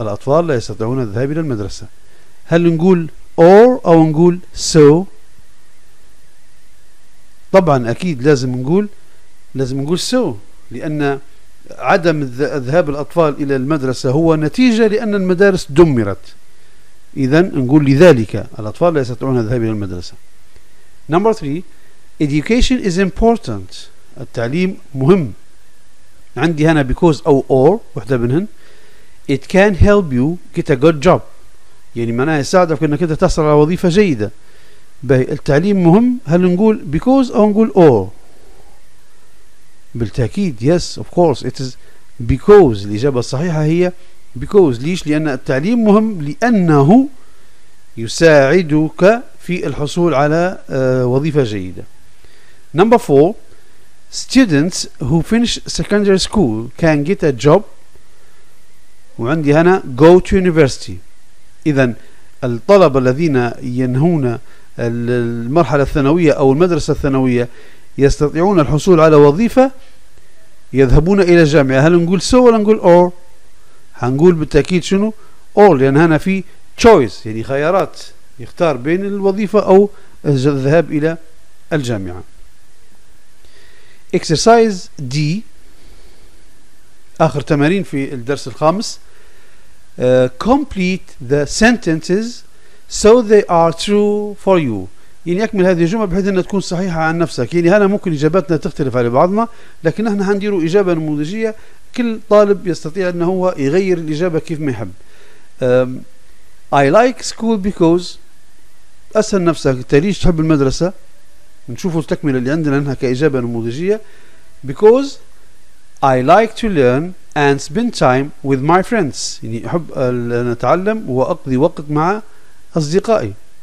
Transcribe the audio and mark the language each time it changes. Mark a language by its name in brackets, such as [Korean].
[Arabic] الأطفال لا يستطيعون الذهاب إلى المدرسة. هل نقول or أو نقول so؟ طبعا أكيد لازم نقول so، لأن عدم ذهاب الأطفال إلى المدرسة هو نتيجة لأن المدارس دمرت. إذن نقول لذلك الأطفال لا يستطيعون الذهاب إلى المدرسة. [English] Number three, education is important. [Arabic] التعليم مهم. عندي هنا because أو or واحدة منهن. [English] It can help you get a good job. [Arabic] يعني معناها يساعدك أنك أنت تحصل على وظيفة جيدة. التعليم مهم، هل نقول because أو نقول or؟ بالتأكيد [English] yes of course it is because. [Arabic] الإجابة الصحيحة هي because. ليش؟ لأن التعليم مهم، لأنه يساعدك في الحصول على وظيفة جيدة. [English] Number four, students who finish secondary school can get a job. [Arabic] وعندي هنا [English] go to university. [Arabic] إذن الطلبة الذين ينهون المرحلة الثانوية أو المدرسة الثانوية يستطيعون الحصول على وظيفة، يذهبون إلى الجامعة. هل نقول so ولا نقول or؟ هنقول بالتأكيد شنو؟ or، لأن هنا في choice، يعني خيارات، يختار بين الوظيفة أو الذهاب إلى الجامعة. Exercise D، آخر تمارين في الدرس الخامس. [English] Complete the sentences so they are true for you. [Arabic] يعني أكمل هذه الجملة بحيث أنها تكون صحيحة عن نفسك. يعني هنا ممكن إجاباتنا تختلف على بعضنا، لكن نحن هنديروا إجابة نموذجية. كل طالب يستطيع أنه هو يغير الإجابة كيف ما يحب. [English] I like school because. [Arabic] أسأل نفسك أنت ليش تحب المدرسة؟ نشوفوا التكملة اللي عندنا أنها كإجابة نموذجية. [English] Because I like to learn and spend time with my friends. [Arabic] يعني أحب أن أتعلم وأقضي وقت مع أصدقائي.